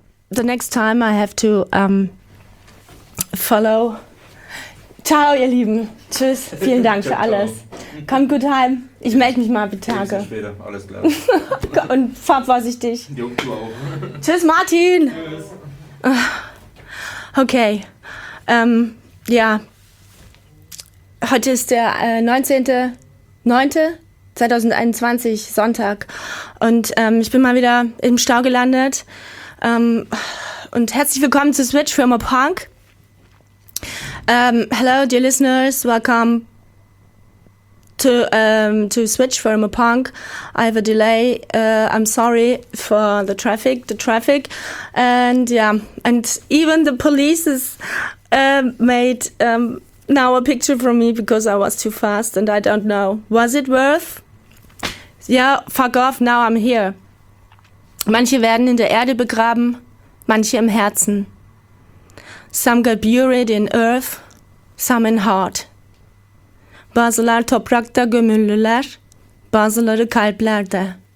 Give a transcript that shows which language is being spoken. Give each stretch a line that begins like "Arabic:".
English: The next time I have to follow.
German: Ciao, ihr Lieben. Tschüss. Vielen Dank für alles. Kommt gut heim. Ich melde mich mal bitte. Tage. Bis später. Alles klar. Und fahr vorsichtig. Jo, du auch. Tschüss, Martin. Tschüss. Okay. Ja. Heute ist der 19.09. 2021, Sonntag. Und ich bin mal wieder im Stau gelandet. Und herzlich willkommen zu Switch für immer Punk.
English: Hello, dear listeners. Welcome to Switch for immer Punk. I have a delay. I'm sorry for the traffic. And yeah, and even the police is made now a picture from me because I was too fast and I don't know. Was it worth? Yeah, fuck off, now I'm here.
German: Manche werden in der Erde begraben, manche im Herzen.
English: Some get buried in earth, some in heart.
Turkish: Bazılar toprakta gömülürler, bazıları kalplerde.